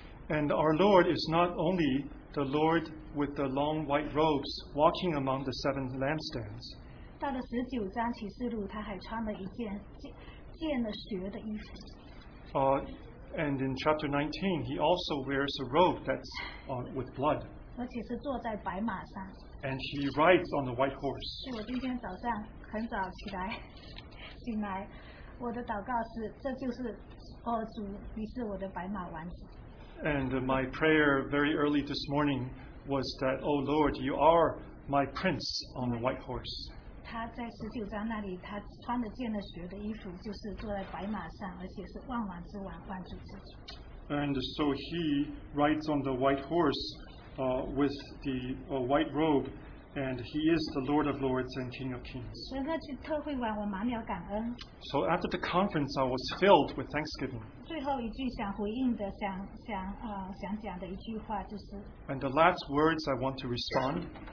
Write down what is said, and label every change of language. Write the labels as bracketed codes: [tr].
[en] And our Lord is not only the Lord with the long white robes walking among the seven lampstands. [zh] 到了十九章启示录，他还穿了一件见了血的衣服。 [en] And in chapter 19, he also wears a robe that's with blood. [zh] 而且是坐在白马上。 [en] And he rides on a white horse. [zh] 是我今天早上很早起来，醒来，我的祷告是，这就是主，你是我的白马王子。 [en] And my prayer very early this morning was that, O Lord, you are my prince on the white horse. [zh] 他在十九章那里，他穿着见了血的衣服，就是坐在白马上，而且是万王之王，万主之主。 [en] And so he rides on the white horse, with the white robe, and he is the Lord of Lords and King of Kings. [zh] 整个去特会完，我满了感恩。 [en] So after the conference, I was filled with thanksgiving. [zh] 最后一句想回应的，想讲的一句话就是。 [en] And the last words I want to respond.